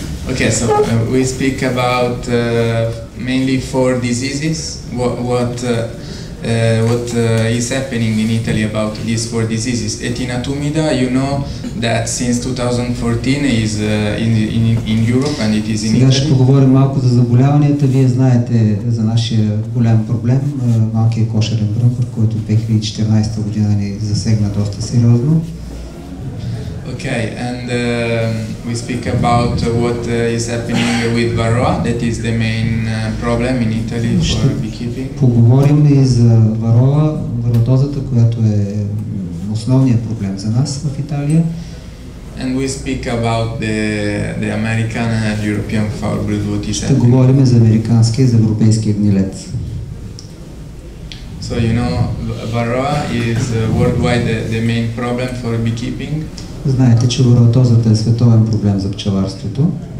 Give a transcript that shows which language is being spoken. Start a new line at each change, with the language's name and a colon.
English: okay, so we speak about mainly four diseases. What is happening in Italy about these four diseases? Etina tumida, you know that since 2014 is in Europe and it is in Italy.
Bulgarian: Сега ще поговорим малко за заболяванията. Вие знаете за нашия голям проблем, малкият кошерен брънкър, който 2014 година ни засегна доста сериозно.
English: Okay, and we speak about what is happening with varroa, that is the main problem in Italy for beekeeping.
Bulgarian: Ще поговорим и за варола, варотозата, която е основният проблем за нас в Италия.
English: And we speak about the American and European foul blood, what is happening.
Bulgarian: Ще говорим за американския и за европейския гнилец.
English: So you know, varroa is worldwide the main problem for beekeeping.
Bulgarian: Знаете, че варотозата е световен проблем за пчеларството.